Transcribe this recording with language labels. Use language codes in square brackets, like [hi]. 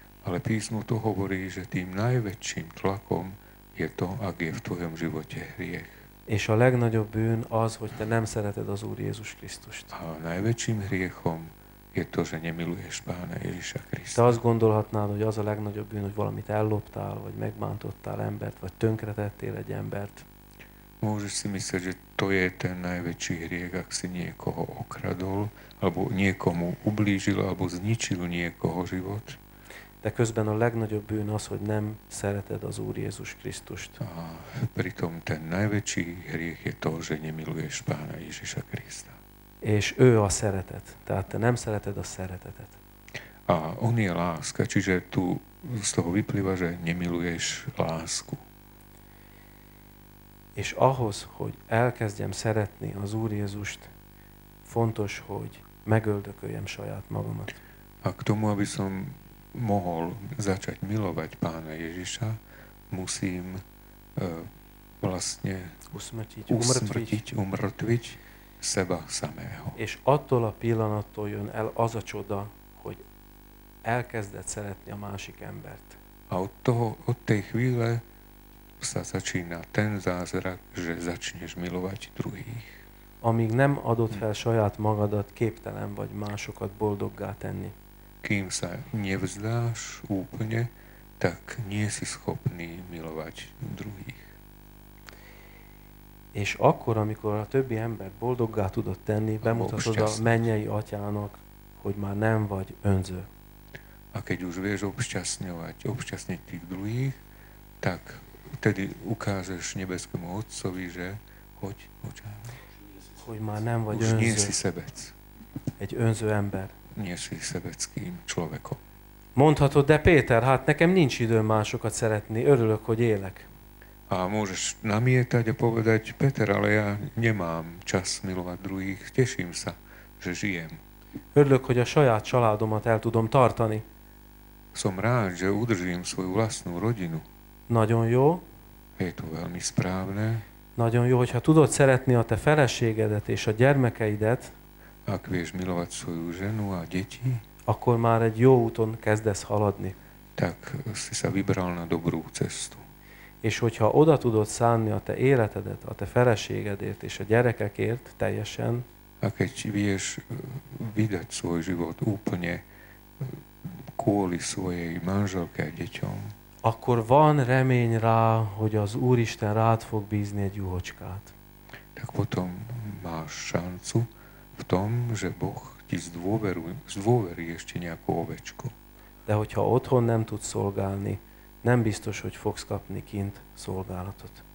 [sk] Ale písmo to hovorí, že tým najväčším tlakom je to, ak je v tvojom živote hriech. [hu] És a legnagyobb bűn az, hogy te nem szereted az Úr Jézus Krisztust. [sk] A najväčším hriechom je to, že nemiluješ Pána Ježiša Krista. [hu] Te azt gondolhatnád, hogy az a legnagyobb bűn, hogy valamit elloptál, vagy megbántottál embert, vagy tönkretettél egy embert. [sk] Môžeš si myslieť, že to je ten najväčší hriech, ak si niekoho okradol, alebo niekomu ublížil, alebo zničil niekoho život. [hu] De közben a legnagyobb bűn az, hogy nem szereted az Úr Jézus Krisztust. [sk] A pritom ten najväčší hriech je to, že nemiluješ Pána Ježiša Krista. [hu] És ő a szeretet. Tehát te nem szereted a szeretetet. [sk] A on je láska, čiže tu z toho vyplýva, že nemiluješ lásku. [hu] És ahhoz, hogy elkezdjem szeretni az Úr Jézust, fontos, hogy megöldököljem saját magamat. [sk] A k tomu, aby som mohol začať milovať Pána Ježiša, musím vlastne usmrtiť seba samého. [hu] És attól a pillanattól jön el az a csoda, hogy elkezded szeretni a másik embert. [sk] A od toho, od tej chvíle sa začína ten zázrak, že začneš milovať druhých. [hu] Amíg nem adod fel saját magadat, képtelen vagy másokat boldoggá tenni. [sk] Kým sa nevzdáš úplne, tak nie si schopný milovať druhých. [hu] És akkor, amikor a többi ember boldoggá tudott tenni, bemutatod a mennyei atyának, hogy már nem vagy önző. [sk] A keď už vieš obšťastňovať, obšťastniť tých druhých, tak vtedy ukážeš nebeskému Otcovi, že hoď, [hu] hogy már nem vagy [sk] už [hu] önző. [sk] Nie si sebec. [hu] Egy önző ember. [sk] Nie si sebeckým človekom. [hu] Mondhatod, de Péter, hát nekem nincs időm másokat szeretni, örülök, hogy élek. [sk] A môžeš namietať a povedať, Peter, ale ja nemám čas milovať druhých, teším sa, že žijem. [hu] Örülök, hogy a saját családomat el tudom tartani. [sk] Som rád, že udržím svoju vlastnú rodinu. [hu] Nagyon jó. [sk] Je to veľmi správne. [hu] Nagyon jó, hogyha tudod szeretni a te feleségedet és a gyermekeidet. [sk] Ak vieš milovať svoju ženu a deti. [hu] Akkor már egy jó úton kezdesz haladni. [sk] Tak si sa vybral na dobrú cestu. [hu] És hogyha oda tudod szánni a te életedet, a te feleségedért és a gyerekekért teljesen. [sk] A keď vieš vydať svoj život úplne kvôli svojej manželke a deťom. [hu] Akkor van remény rá, hogy az Úristen rád fog bízni egy juhocskát. [sk] Tak potom máš šancu v tom, že Boh ti zdôverí ešte nejakú ovečku. [hu] De hogyha otthon nem tudsz szolgálni, nem biztos, hogy fogsz kapni kint szolgálatot.